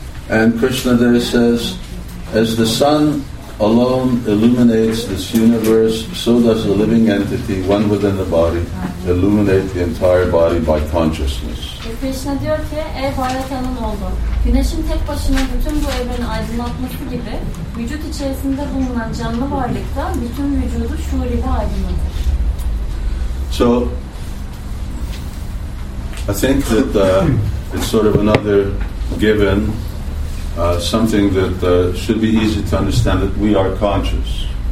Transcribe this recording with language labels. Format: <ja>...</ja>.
<en>And Krishna there says, as the sun alone illuminates this universe, so does a living entity, one within the body, illuminate the entire body by consciousness.</en> <tr>Krishna diyor ki, ey Bharatanın oğlu, güneşin tek başına bütün bu evreni aydınlatması gibi, vücut içerisinde bulunan canlı varlıkta bütün vücudu şuur ile aydınlatır.</tr> <en>So, I think that it's sort of another given, something that should be easy to understand, that we are conscious.</en>